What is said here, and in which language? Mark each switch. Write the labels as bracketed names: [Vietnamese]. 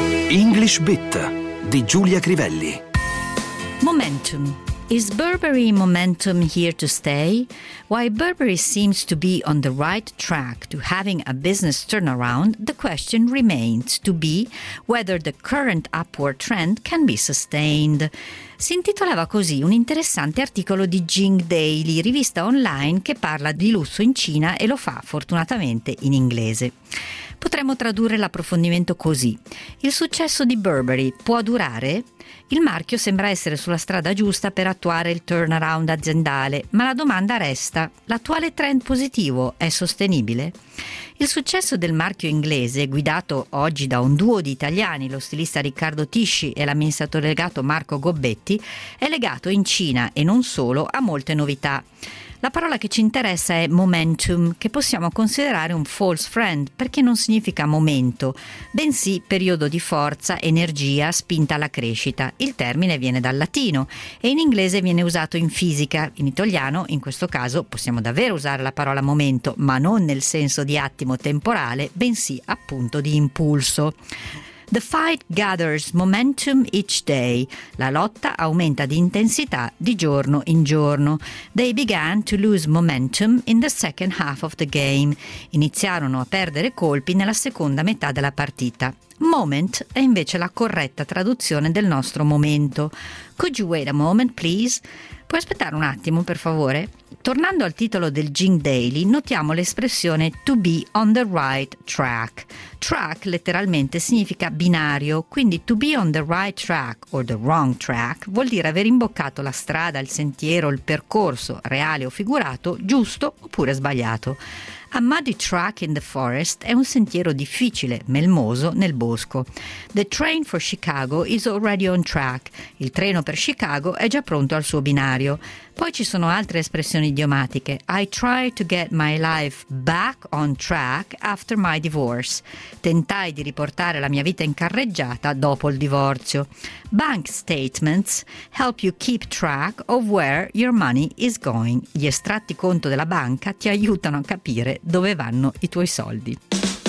[Italian] English Bit di Giulia Crivelli. [English] Momentum. Is Burberry momentum here to stay? While Burberry seems to be on the right track to having a business turnaround, the question remains to be whether the current upward trend can be sustained. [Italian] Si intitolava così un interessante articolo di Jing Daily, rivista online che parla di lusso in Cina e lo fa fortunatamente in inglese. Potremmo tradurre l'approfondimento così: il successo di Burberry può durare? Il marchio sembra essere sulla strada giusta per attuare il turnaround aziendale, ma la domanda resta: l'attuale trend positivo è sostenibile? Il successo del marchio inglese, guidato oggi da un duo di italiani, lo stilista Riccardo Tisci e l'amministratore delegato Marco Gobbetti, è legato in Cina e non solo a molte novità. La parola che ci interessa è momentum, che possiamo considerare un false friend perché non significa momento, bensì periodo di forza, energia, spinta alla crescita. Il termine viene dal latino e in inglese viene usato in fisica. In italiano, in questo caso, possiamo davvero usare la parola momento, ma non nel senso di attimo temporale, bensì appunto di impulso. [English] The fight gathers momentum each day. [Italian] La lotta aumenta di intensità di giorno in giorno. [English] They began to lose momentum in the second half of the game. [Italian] Iniziarono a perdere colpi nella seconda metà della partita. Moment è invece la corretta traduzione del nostro momento. [English] Could you wait a moment, please? [Italian] Puoi aspettare un attimo, per favore? Tornando al titolo del Jing Daily, notiamo l'espressione [English] to be on the right track. [Italian] Track letteralmente significa binario, quindi [English] to be on the right track or the wrong track [Italian] vuol dire aver imboccato la strada, il sentiero, il percorso, reale o figurato, giusto oppure sbagliato. [English] A muddy track in the forest [Italian] è un sentiero difficile, melmoso, nel bosco. [English] The train for Chicago is already on track. [Italian] Il treno per Chicago è già pronto al suo binario. Poi ci sono altre espressioni idiomatiche. [English] I try to get my life back on track after my divorce. [Italian] Tentai di riportare la mia vita in carreggiata dopo il divorzio. [English] Bank statements help you keep track of where your money is going. [Italian] Gli estratti conto della banca ti aiutano a capire dove vanno i tuoi soldi.